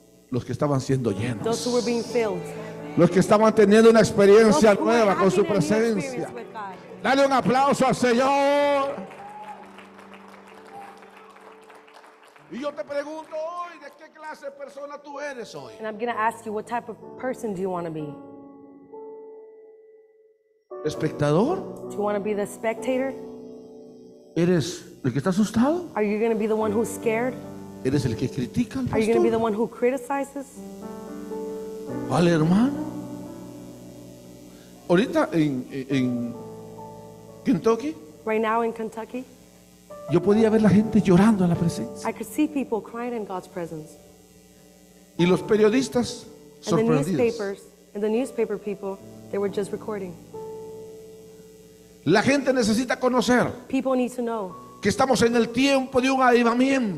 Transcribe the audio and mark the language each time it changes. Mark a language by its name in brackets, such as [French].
[Spanish] Los que estaban siendo llenos. [English] Those who were being filled. [Spanish] Los que estaban teniendo una experiencia nueva con su presencia. Dale un aplauso al Señor. Y yo te pregunto hoy, ¿de qué clase de persona tú eres hoy? [English] And I'm going to ask you, what type of person do you want to be? [Spanish] ¿Espectador? [English] Do you want to be the spectator? [Spanish] ¿Eres el que está asustado? [English] Are you going to be the one who's scared? [Spanish] ¿Eres el que critica al pastor? [English] Are you going to be the one who criticizes? [Spanish] ¿Cuál hermano? Ahorita en Kentucky. [English] Right now in Kentucky. [Spanish] Yo podía ver la gente llorando en la presencia. [English] I could see people crying in God's presence. [Spanish] Y los periodistas sorprendidos. [English] And the newspaper people, they were just recording. [Spanish] La gente necesita conocer. [English] People need to know. [Spanish] Que estamos en el tiempo de un avivamiento.